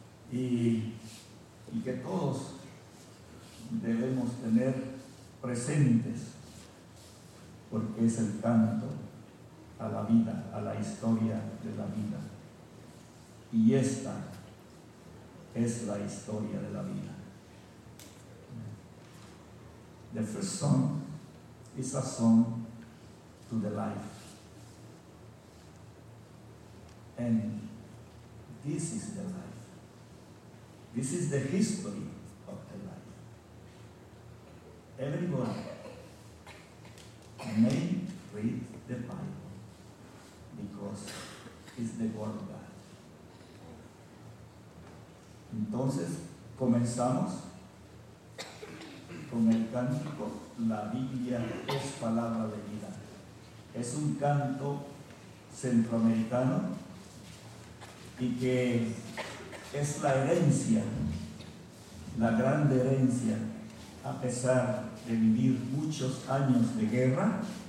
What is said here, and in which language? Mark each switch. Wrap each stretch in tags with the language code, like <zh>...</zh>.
<es>Y que todos debemos tener presentes, porque es el canto a la vida, a la historia de la vida. Y esta es la historia de la vida.</es> <en>The first song is a song to the life. And this is the life. This is the history of the life. Everybody may read the Bible because it's the word of God.</en> <es>Entonces, comenzamos con el cántico La Biblia es palabra de vida. Es un canto centroamericano y que es la herencia, la grande herencia, a pesar de vivir muchos años de guerra.</es>